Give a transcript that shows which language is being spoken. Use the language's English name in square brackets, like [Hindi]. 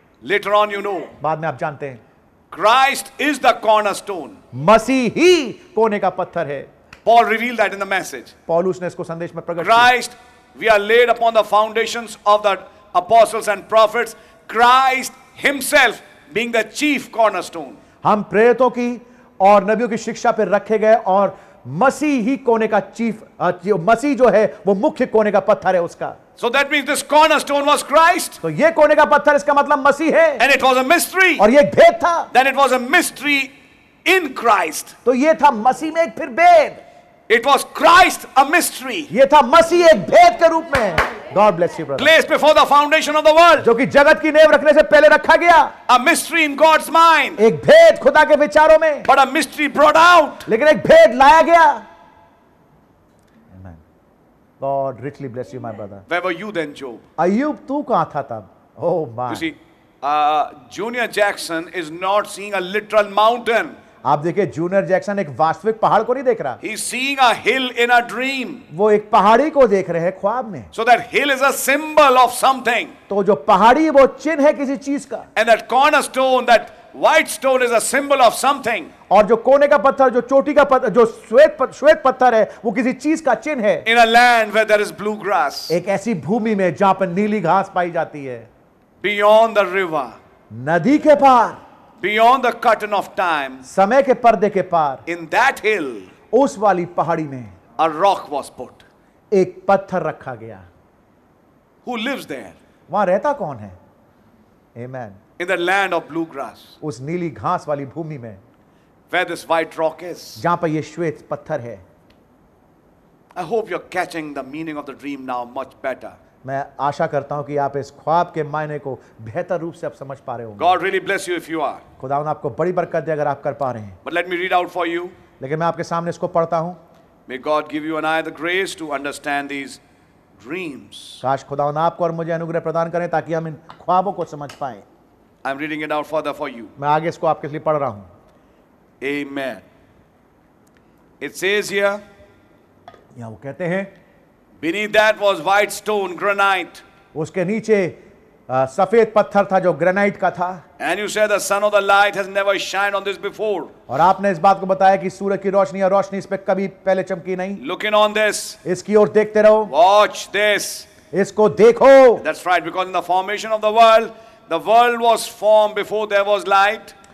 [English] Later on, you know. [Hindi] बाद में आप जानते हैं. [English] Christ is the cornerstone. [Hindi] मसीह ही कोने का पत्थर है. [English] Paul revealed that in the message. [Hindi] पौलुस ने इसको संदेश में प्रकट किया. [English] Christ, we are laid upon the foundations of the apostles and prophets. Christ himself being the chief cornerstone. [Hindi] हम प्रेरितों की और नबियों की शिक्षा पर रखे गए और मसीह ही कोने का चीफ मसीह जो है वो मुख्य कोने का पत्थर है उसका. [English] So that means this cornerstone was Christ. [Hindi] तो ये कोने का पत्थर इसका मतलब मसीह है. [English] And it was a mystery. [Hindi] और ये एक भेद था. [English] Then it was a mystery in Christ. [Hindi] तो ये था मसीह में एक फिर भेद. [English] It was Christ a mystery. [Hindi] ये था मसीह एक भेद के रूप में. [English] God bless you, brother. Placed before the foundation of the world. [Hindi] जो कि जगत की नेव रखने से पहले रखा गया. [English] A mystery in God's mind. [Hindi] एक भेद खुदा के विचारों में. [English] But a mystery brought out. [Hindi] लेकिन एक भेद लाया गया. Amen. [English] God richly bless you, my brother. Where were you then, Job? [Hindi] Ayub, तू कहाँ था तब? [English] Oh my. You see, Junior Jackson is not seeing a literal mountain. [Hindi] आप देखिए जूनियर जैक्सन एक वास्तविक पहाड़ को नहीं देख रहा. [English] He is seeing a hill in a dream. [Hindi] वो एक पहाड़ी को देख रहे हैं ख्वाब में. [English] So that hill is a symbol of something. [Hindi] तो जो पहाड़ी वो चिन्ह है किसी चीज का. [English] And that cornerstone, that white stone is a symbol of something. [Hindi] और जो कोने का पत्थर जो चोटी का पत्थर जो श्वेत पत्थर है वो किसी चीज का चिन्ह है. [English] In a land where there is blue grass. [Hindi] एक ऐसी भूमि में जहां पर नीली घास पाई जाती है. [English] Beyond the river. [Hindi] नदी के पार. [English] Beyond the curtain of time, [Hindi] समय के पर्दे के पार, [English] in that hill, [Hindi] उस वाली पहाड़ी में, [English] a rock was put, [Hindi] एक पत्थर रखा गया. [English] Who lives there? [Hindi] वहाँ रहता कौन है? Amen. [English] In the land of blue grass, [Hindi] उस नीली घास वाली भूमि में, [English] where this white rock is, [Hindi] जहाँ पर ये श्वेत पत्थर है. [English] I hope you're catching the meaning of the dream now much better. [Hindi] मैं आशा करता हूं कि आप इस ख्वाब के मायने को बेहतर रूप से आप समझ पा रहे होंगे. [English] God really bless you if you are. [Hindi] खुदावन आपको बड़ी बरकत दे अगर आप कर पा रहे हैं. [English] But let me read out for you. [Hindi] लेकिन मैं आपके सामने इसको पढ़ता हूं. [English] May God give you and I the grace to understand these dreams. [Hindi] काश खुदावन आपको और मुझे अनुग्रह प्रदान करें ताकि हम इन ख्वाबों को समझ पाए. [English] I'm reading it out further for you. [Hindi] मैं आगे इसको आपके लिए पढ़ रहा हूं. [English] Amen. It says here. [Hindi] यहां वो कहते हैं. [English] Beneath that was white stone, granite. [Hindi] उसके नीचे सफेद पत्थर था जो ग्रेनाइट का था. [English] And you said the sun of the light has never shined on this before. [Hindi] और आपने इस बात को बताया कि सूर्य की रोशनी या रोशनी इस पे कभी पहले चमकी नहीं. [English] Looking on this. [Hindi] इसकी ओर देखते रहो. [English] Watch this. [Hindi] इसको देखो. [English] That's right, because in the formation of the world was formed before there was light.